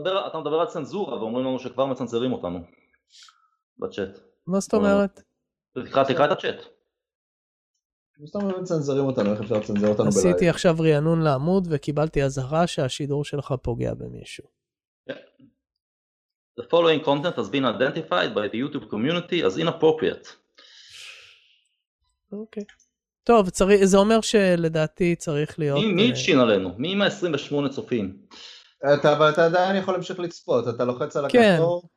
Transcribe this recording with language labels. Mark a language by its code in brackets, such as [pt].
[he] אתה מדבר על צנזורה, ואומרים לנו שכבר מצנזרים אותנו, בצ'אט. מה זאת אומרת? תקרא את הצ'אט. סתם הם צנזרים אותנו, איך אפשר לצנזר אותנו בלייב? עשיתי עכשיו רענון לעמוד, וקיבלתי אזהרה שהשידור שלך פוגע במישהו. [en] The following content has been identified by the YouTube community as inappropriate. [he] אוקיי. טוב, זה אומר שלדעתי צריך להיות... מי ישין עלינו? מי עם ה-28 צופים? אבל אתה עדיין יכול להמשיך לצפות, אתה לוחץ על הכפתור...